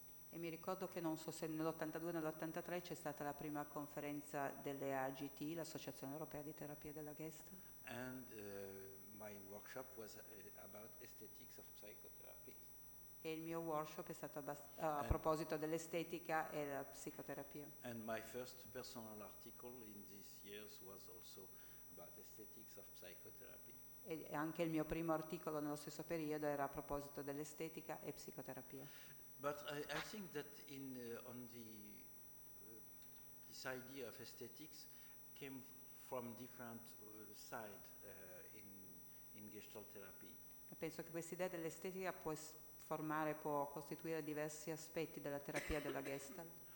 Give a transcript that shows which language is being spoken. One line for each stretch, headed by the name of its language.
Italian: E mi ricordo che non so se nell'82 o nell'83 c'è stata la prima conferenza delle AGT, l'Associazione Europea di Terapia della Gestalt.
English: And my workshop was about aesthetics of psychotherapy.
Italian: E il mio workshop è stato a proposito dell'estetica e della psicoterapia.
English: And my first personal article in these years was also about aesthetics of psychotherapy.
Italian: E anche il mio primo articolo nello stesso periodo era a proposito dell'estetica e psicoterapia.
English: But I think that in on the this idea of aesthetics came from different side in Gestalt therapy.
Italian: Penso che questa idea dell'estetica può costituire diversi aspetti della terapia della Gestalt.